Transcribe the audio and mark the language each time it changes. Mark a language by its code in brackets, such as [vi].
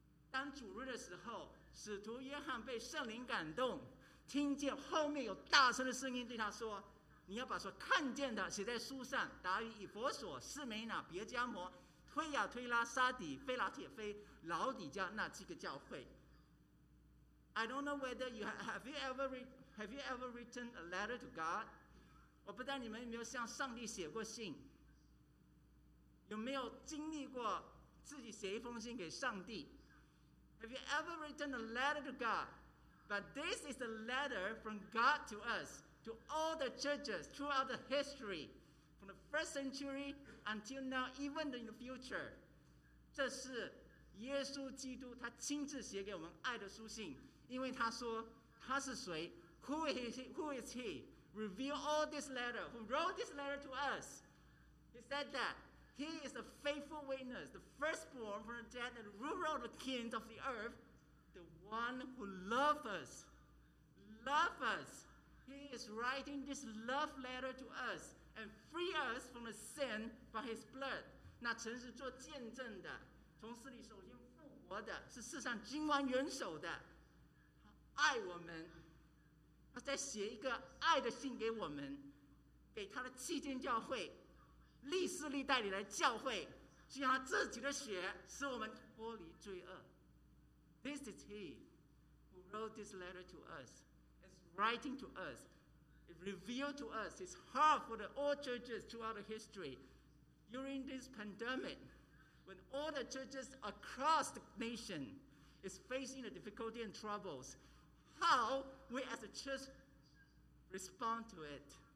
[zh] 当主日的时候，使徒约翰被圣灵感动，听见后面有大声的声音对他说：“你要把所看见的写在书上，打于以弗所、士美那、别加摩、推亚推拉、沙底、菲拉铁菲、老底加那七个教会。” [en] I don't know whether you have you ever written a letter to God? [zh] 我不知道你们有没有向上帝写过信，有没有经历过自己写一封信给上帝。 [en] Have you ever written a letter to God? But this is a letter from God to us, to all the churches throughout the history, from the first century until now, even in the future. [zh] 这是耶稣基督他亲自写给我们爱的书信，因为他说他是谁 ？ [en] Who is he? Reveal all this letter. Who wrote this letter to us? He said that he is a faithful witness, the firstborn from the dead, and ruler of the kings of the earth, the one who loves us. Love us. He is writing this love letter to us and free us from the sin by his blood. [zh] 那曾是做见证的，从死里首先复活的，是世上君王元首的。他爱我们，他在写一个爱的信给我们，给他的七间教会，历世历代里的教会，是用他自己的血使我们脱离罪恶。 [en] This is he who wrote this letter to us. It's writing to us. It revealed to us his heart for the all churches throughout history. During this pandemic, when all the churches across the nation is facing the difficulty and troubles, how we as a church respond to it?